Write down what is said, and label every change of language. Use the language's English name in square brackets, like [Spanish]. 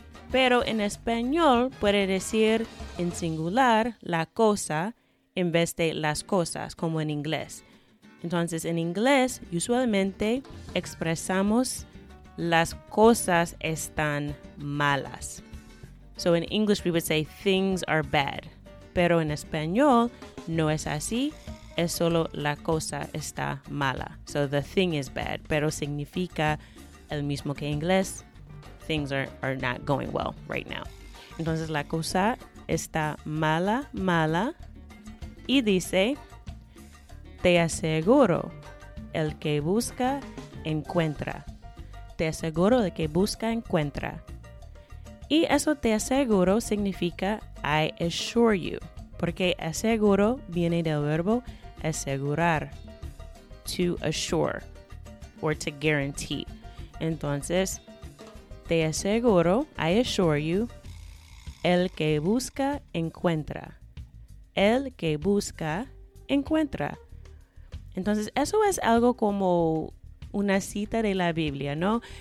[Spanish] Pero en español puede decir en singular la cosa en vez de las cosas, como en inglés. Entonces, en inglés, usualmente expresamos las cosas están malas. [English] So, in English, we would say things are bad. [Spanish] Pero en español, no es así. Es solo la cosa está mala. [English] So, the thing is bad. [Spanish] Pero significa el mismo que en inglés. [English] Things are not going well right now. [Spanish] Entonces, la cosa está mala, mala. Y dice, te aseguro, el que busca, encuentra. Te aseguro, el que busca, encuentra. Y eso te aseguro significa, [English] I assure you. [Spanish] Porque aseguro viene del verbo asegurar. [English] To assure, or to guarantee. [Spanish] Entonces, te aseguro, [English] I assure you, [Spanish] el que busca, encuentra. El que busca, encuentra. Entonces, eso es algo como una cita de la Biblia, ¿no?